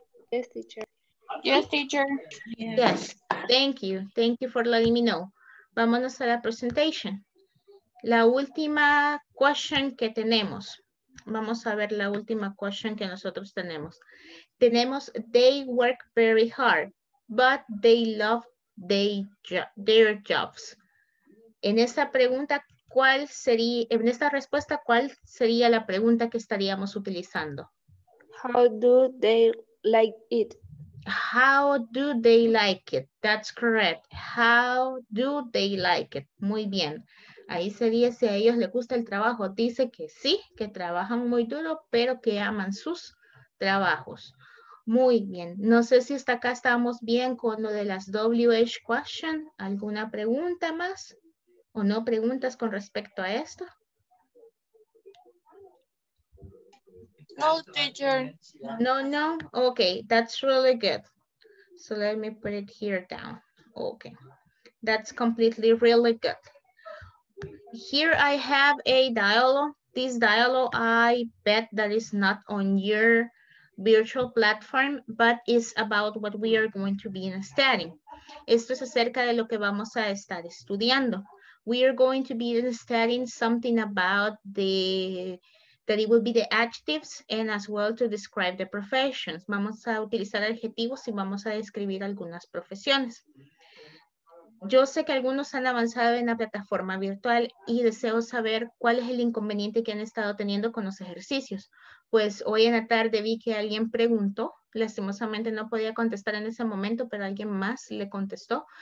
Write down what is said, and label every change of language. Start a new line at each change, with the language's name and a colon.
English: Yes, teacher. Yes, teacher. Yes. Thank you. Thank you for letting me know.
Spanish: Vámonos a la
English: presentation.
Spanish: La última question que tenemos. Vamos a ver la última question que nosotros tenemos. Tenemos,
English: they work very hard, but they love their jobs.
Spanish: En esta pregunta, ¿cuál sería, en esta respuesta, cuál sería la pregunta que estaríamos utilizando?
English: How do they like it? How do they like it? That's correct. How do they like it?
Spanish: Muy bien. Ahí sería si a ellos les gusta el trabajo. Dice que sí, que trabajan muy duro, pero que aman sus trabajos. Muy bien. No sé si hasta acá estamos bien con lo de las WH question. ¿Alguna pregunta más? ¿O no preguntas con respecto a esto?
English: No, teacher. No, no. Okay, that's really good. So let me put it here down. Okay. That's completely really good. Here I have a dialogue. This dialogue, I bet that is not on your virtual platform, but is about what we are going to be studying.
Spanish: Esto es acerca de lo que vamos a estar estudiando.
English: We are going to be studying something about that it will be the adjectives and as well to describe the professions.
Spanish: Vamos a utilizar adjetivos y vamos a describir algunas profesiones. Yo sé que algunos han avanzado en la plataforma virtual y deseo saber cuál es el inconveniente que han estado teniendo con los ejercicios. Pues hoy en la tarde vi que alguien preguntó, lastimosamente no podía contestar en ese momento, pero alguien más le contestó.